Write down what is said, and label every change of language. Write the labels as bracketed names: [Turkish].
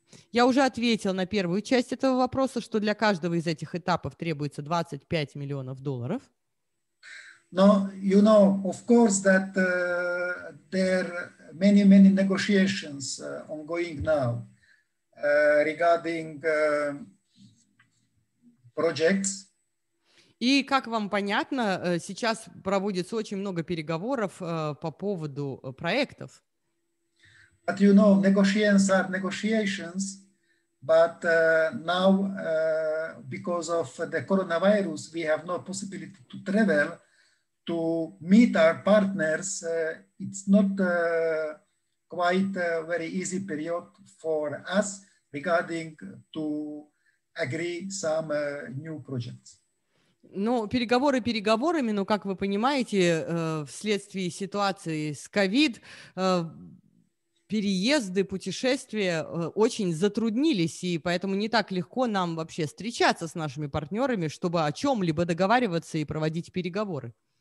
[Russian] Я уже ответил на первую часть этого вопроса, что для каждого из этих этапов требуется $25 million. [English] No, you know, of course, that there are many, many negotiations ongoing now regarding projects. [Russian] И, как вам понятно, сейчас проводится очень много переговоров по поводу проектов. [English] But you know, negotiations are negotiations, but now, because of the coronavirus, we have no possibility to travel, to meet our partners. It's not quite a very easy period for us regarding to agree some new projects. [Russian] Ну, переговоры переговорами, но, как вы понимаете, вследствие ситуации с COVID, переезды, путешествия очень затруднились, и поэтому не так легко нам вообще встречаться с нашими партнерами, чтобы о чем-либо договариваться и проводить переговоры.